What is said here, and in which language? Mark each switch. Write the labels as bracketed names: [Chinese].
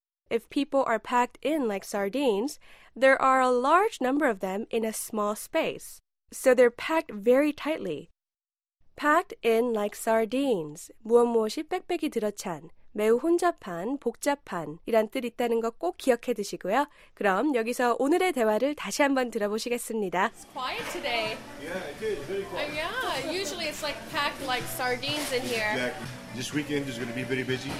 [English] If people are packed in like sardines, there are a large number of them in a small space. So they're packed very tightly. Packed in like sardines. [Korean] 무엇무엇이 빽빽이 들어찬. 매우 혼잡한, 복잡한 이란 뜻 있다는 거 꼭 기억해 두시고요. 그럼 여기서 오늘의 대화를 다시 한번 들어보시겠습니다. [English] It's quiet today. Yeah, it is. Very quiet. Yeah, usually it's like packed like sardines in here. Exactly. This weekend is going to be very busy.